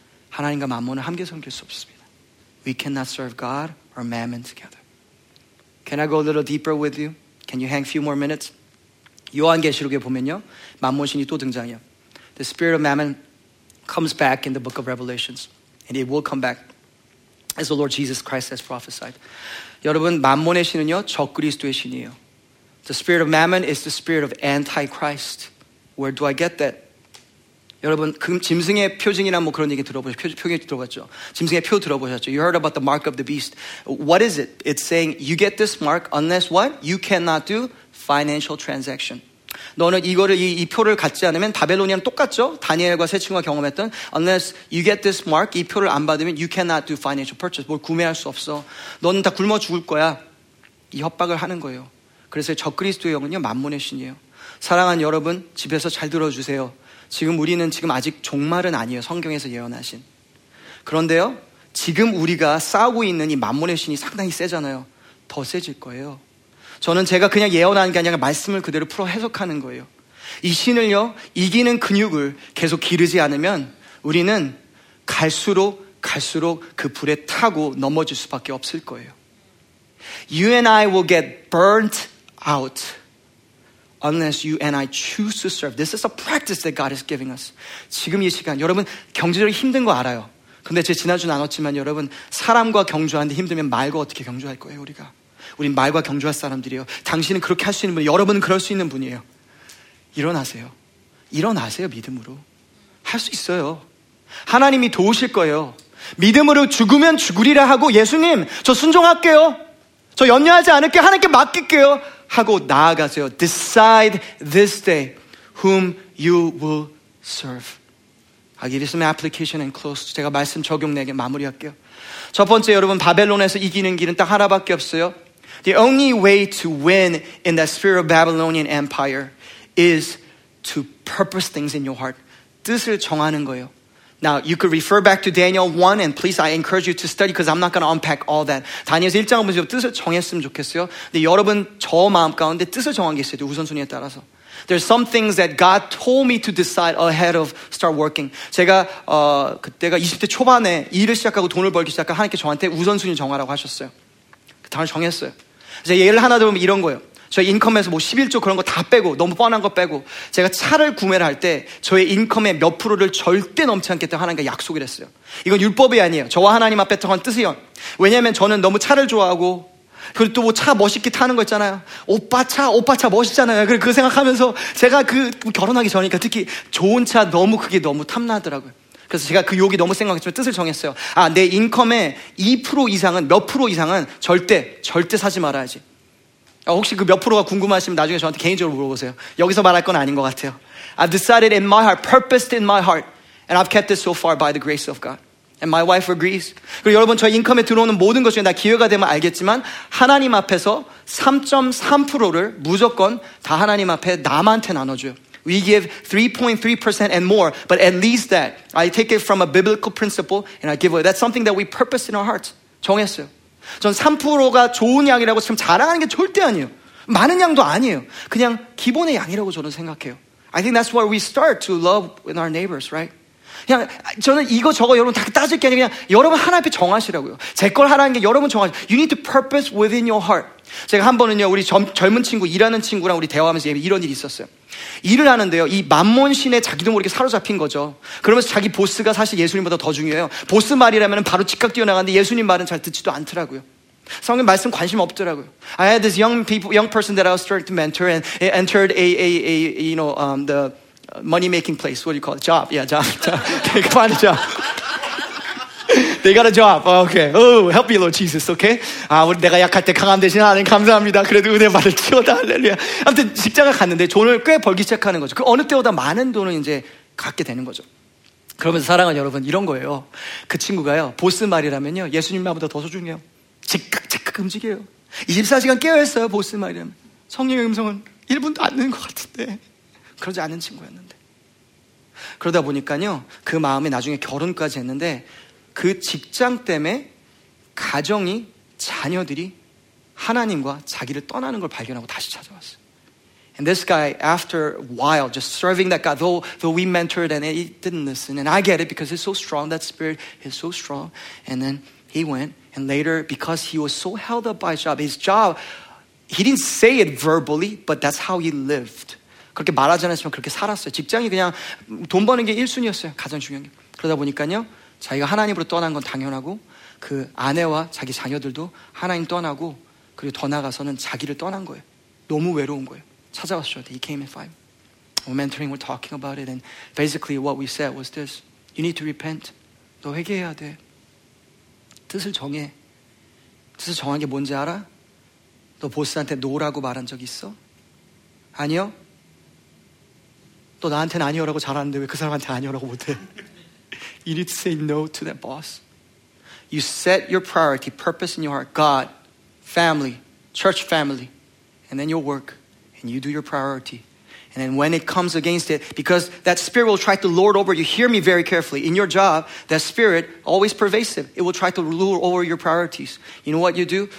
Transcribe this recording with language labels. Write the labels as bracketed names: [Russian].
[Korean] 하나님과 만모는 함께 섬길 수 없습니다. [English] We cannot serve God or mammon together. Can I go a little deeper with you? Can you hang a few more minutes? [Korean] 요한계시록에 보면요. 만모신이 또 등장해요. [English] The spirit of mammon comes back in the book of Revelations. And it will come back as the Lord Jesus Christ has prophesied. [Korean] 여러분, 만몬의 신은요, 적그리스도의 신이에요. [English] The spirit of mammon is the spirit of antichrist. Where do I get that? [Korean] 여러분, 짐승의 표징이나 뭐 그런 얘기 들어보셨죠? 표징 들어봤죠? 짐승의 표 들어보셨죠? [English] You heard about the mark of the beast. What is it? It's saying you get this mark unless what? You cannot do financial transaction. [Korean] 너는 이거를 이 표를 갖지 않으면 바벨론이랑 똑같죠? 다니엘과 세 친구가 경험했던 [English] unless you get this mark, [Korean] 이 표를 안 받으면 [English] you cannot do financial purchase. [Korean] 뭘 구매할 수 없어. 너는 다 굶어 죽을 거야. 이 협박을 하는 거예요. 그래서 적그리스도의 영은요, 만몬의 신이에요. 사랑하는 여러분, 집에서 잘 들어주세요. 지금 우리는 지금 아직 종말은 아니에요. 성경에서 예언하신. 그런데요, 지금 우리가 싸우고 있는 이 만몬의 신이 상당히 세잖아요. 더 세질 거예요. 저는 제가 그냥 예언하는 게 아니라 말씀을 그대로 풀어 해석하는 거예요. 이 신을요, 이기는 근육을 계속 기르지 않으면 우리는 갈수록 그 불에 타고 넘어질 수밖에 없을 거예요. [English] You and I will get burnt out unless you and I choose to serve. This is a practice that God is giving us. [Korean] 지금 이 시간, 여러분 경제적으로 힘든 거 알아요. 근데 제가 지난주 나눴지만 여러분, 사람과 경주하는데 힘들면 말과 어떻게 경주할 거예요, 우리가? 우린 말과 경주할 사람들이에요. 당신은 그렇게 할 수 있는 분이에요. 여러분은 그럴 수 있는 분이에요. 일어나세요. 일어나세요, 믿음으로. 할 수 있어요. 하나님이 도우실 거예요. 믿음으로 죽으면 죽으리라 하고 예수님, 저 순종할게요. 저 염려하지 않을게. 하나님께 맡길게요. 하고 나아가세요. [English] Decide this day whom you will serve. I'll give you some application and close. [Korean] 제가 말씀 적용 내게 마무리할게요. 첫 번째, 여러분, 바벨론에서 이기는 길은 딱 하나밖에 없어요. [English] The only way to win in that spirit of Babylonian empire is to purpose things in your heart. [Korean] 뜻을 정하는 거예요. [English] Now, you could refer back to Daniel 1, and please, I encourage you to study because I'm not going to unpack all that. [Korean] 다니엘서 1장을 보시고 뜻을 정했으면 좋겠어요. 근데 여러분, 저 마음 가운데 뜻을 정한 게 있어요. 우선순위에 따라서. [English] There's some things that God told me to decide ahead of start working. [Korean] 제가 그때가 20대 초반에 일을 시작하고 돈을 벌기 시작하고 하나님께 저한테 우선순위 정하라고 하셨어요. 그 단어를 정했어요. 제가 예를 하나 들으면 이런 거예요. 저희 인컴에서 뭐 11조 그런 거 다 빼고, 너무 뻔한 거 빼고, 제가 차를 구매를 할 때 저의 인컴의 몇 프로를 절대 넘지 않겠다고 하나님께 약속을 했어요. 이건 율법이 아니에요. 저와 하나님 앞에 정한 뜻이에요. 왜냐하면 저는 너무 차를 좋아하고, 그리고 또 뭐 차 멋있게 타는 거 있잖아요. 오빠 차 멋있잖아요. 그래서 그 생각하면서 제가 그 결혼하기 전이니까 특히 좋은 차 너무 그게 너무 탐나더라고요. 그래서 제가 그 욕이 너무 생각했지만 뜻을 정했어요. 아, 내 인컴의 2% 이상은, 몇 프로 이상은 절대 사지 말아야지. 혹시 그 몇 프로가 궁금하시면 나중에 저한테 개인적으로 물어보세요. 여기서 말할 건 아닌 것 같아요. [English] I decided in my heart, purposed in my heart, and I've kept it so far by the grace of God. And my wife agrees. [Korean] 그리고 여러분, 저 인컴에 들어오는 모든 것 중에 나 기회가 되면 알겠지만 하나님 앞에서 3.3%를 무조건 다 하나님 앞에 남한테 나눠줘요. [English] We give 3.3% and more, but at least that. I take it from a biblical principle, and I give away. That's something that we purpose in our hearts. [Korean] 정했어요. 전 3%가 좋은 양이라고 지금 자랑하는 게 절대 아니에요. 많은 양도 아니에요. 그냥 기본의 양이라고 저는 생각해요. [English] I think that's where we start to love with our neighbors, right? [Korean] 그냥 저는 이거 저거 여러분 다 따질 게 아니라 그냥 여러분 하나님께 정하시라고요. 제 걸 하라는 게 여러분 정하시. [English] You need to purpose within your heart. [Korean] 제가 한 번은요 우리 젊은 친구 일하는 친구랑 우리 대화하면서 이런 일이 있었어요. 일을 하는데요 이 만몬신에 자기도 모르게 사로잡힌 거죠. 그러면서 자기 보스가 사실 예수님보다 더 중요해요. 보스 말이라면 바로 즉각 뛰어나가는데 예수님 말은 잘 듣지도 않더라고요. 성경 말씀 관심 없더라고요. [English] I had this young people, young person that I was starting to mentor and entered the money making place. What do you call it? Job. Yeah, job. They got a job. They got a job. Okay. Oh, help me, Lord Jesus. Okay. [Korean] 아, 우리 내가 약할 때 강함 되시는 하나님 감사합니다. 그래도 은혜 받을 치워다 할렐루야. 아무튼 직장을 갔는데 돈을 꽤 벌기 시작하는 거죠. 그 어느 때보다 많은 돈을 이제 갖게 되는 거죠. 그러면서 사랑하는 여러분 이런 거예요. 그 친구가요 보스 말이라면요 예수님 말보다 더 소중해요. 즉각 움직여요. 24시간 깨어있어요 보스 말이라면. 성령의 음성은 1분도 안 되는 것 같은데 그러지 않은 친구였는데 그러다 보니까요 그 마음에 나중에 결혼까지 했는데 그 직장 때문에 가정이 자녀들이 하나님과 자기를 떠나는 걸 발견하고 다시 찾아왔어요. [English] And this guy after a while just serving that guy though we mentored and he didn't listen and I get it because it's so strong that spirit is so strong and then he went and later because he was so held up by his job he didn't say it verbally but that's how he lived. [Korean] 그렇게 말하지 않았지만 그렇게 살았어요. 직장이 그냥 돈 버는 게 1순위였어요. 가장 중요한 게. 그러다 보니까요 자기가 하나님으로 떠난 건 당연하고 그 아내와 자기 자녀들도 하나님 떠나고 그리고 더 나아가서는 자기를 떠난 거예요. 너무 외로운 거예요. 찾아왔죠. [English] He came in five. We're mentoring, we're talking about it and basically what we said was this. You need to repent. [Korean] 너 회개해야 돼. 뜻을 정해. 뜻을 정한 게 뭔지 알아? 너 보스한테 노라고 말한 적 있어? 아니요? 또 나한테는 아니요라고 잘하는데 왜 그 사람한테 아니요라고 못해? [English] You need to say no to that boss. You set your priority, purpose in your heart, God, family, church family, and then you'll work, and you do your priority. And then when it comes against it, because that spirit will try to lord over you, hear me very carefully, in your job, that spirit, always pervasive, it will try to lord over your priorities. You know what you do?